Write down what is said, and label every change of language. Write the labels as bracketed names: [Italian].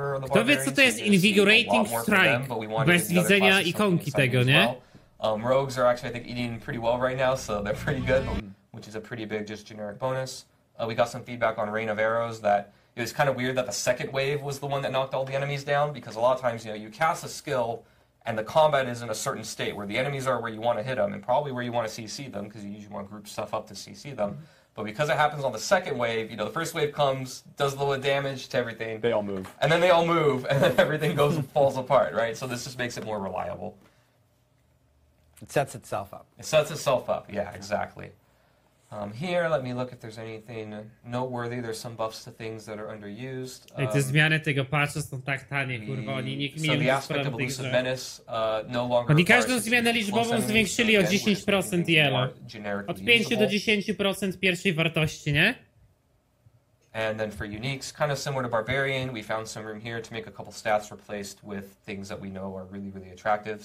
[Polish] Kto wie, co to jest Invigorating Strike bez widzenia ikonki tego, nie? [English] Rogues are actually, I think, eating pretty well right now, so they're pretty good, which is a pretty big, just generic bonus. We got some feedback on Rain of Arrows that it was kind of weird that the second wave was the one that knocked all the enemies down, because a lot of times, you know, you cast a skill and the combat is in a certain state where the enemies are where you want to hit them and probably where you want to CC them, because you usually want to group stuff up to CC them. But because it happens on the second wave, you know, the first wave comes, does a little damage to everything. They all move. And then they all move and then everything goes and falls apart, right? So this just makes it more reliable. It sets itself up. It sets itself up, yeah, exactly. Here, let me look if there's anything noteworthy. There's some buffs to things that are underused. [Polish] Te zmiany tego patcha są tak tanie, kurwa, oni nikt mi nie sprawdzi. [English] So the aspect of [Polish] oni każdą zmianę liczbową zwiększyli o 10% yellow. Od 5 do 10% pierwszej wartości, nie? [English] And then for uniques, kind of similar to Barbarian, we found some room here to make a couple stats replaced with things that we know are really, really attractive.